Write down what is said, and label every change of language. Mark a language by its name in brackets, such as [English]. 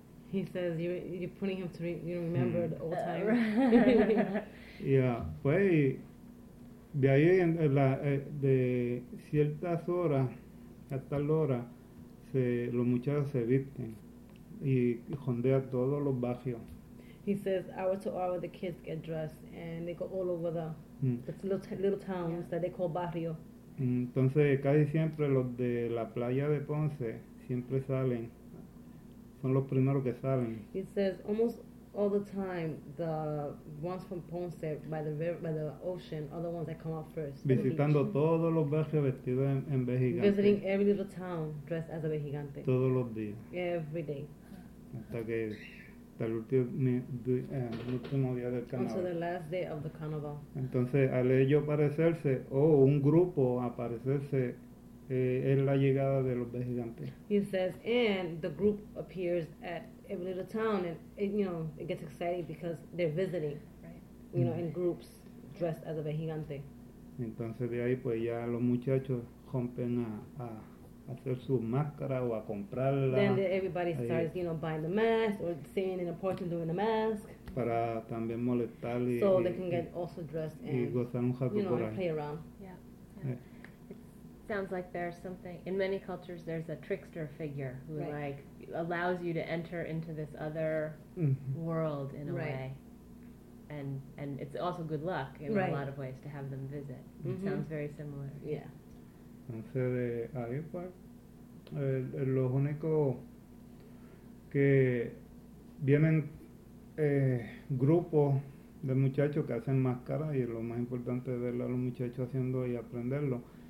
[English] He says, you're putting him to remember the old time. [Spanish] Pues, de ahí, de ciertas horas a tal hora, los muchachos se visten y jondean todos los barrios. [English] He says, hour to hour, the kids get dressed and they go all over the... It's little towns that they call barrio. [Spanish] Entonces, casi siempre los de la playa de Ponce siempre salen, son los primeros que salen. [English] It says almost all the time the ones from Ponce by the ocean are the ones that come out first from the beach. [Spanish] Visitando todos los barrios vestidos en [English] Visiting every little town dressed as a vejigante. [Spanish] todos los días. [English] Every day. [Spanish] Hasta el último día del [English] Until the [Spanish] carnaval. [English] last day of the carnival. [Spanish] Entonces, al ello parecerse, o un grupo aparecerse, es la llegada de los vejigantes. [English] He says, and the group appears at every little town, and it gets exciting because they're visiting, in groups dressed as a vejigante. [Spanish] Entonces, de ahí, pues ya los muchachos rompen a hacer su máscara o a [English] Then [Spanish] comprarla. [English] everybody starts, buying the mask or staying in a porch and doing the mask, [Spanish] Para también molestar [English] so they can get also dressed [Spanish] y gozar un rato por [English] and [Spanish] ahí. [English] play around. Sounds like there's something in many cultures. There's a trickster figure who like allows you to enter into this other world in a way, and it's also good luck in a lot of ways to have them visit. It sounds very similar. [Spanish] Entonces, ahí pues, los únicos que vienen grupos de muchachos que hacen máscara, y lo más importante es ver a los muchachos haciendo y aprenderlo.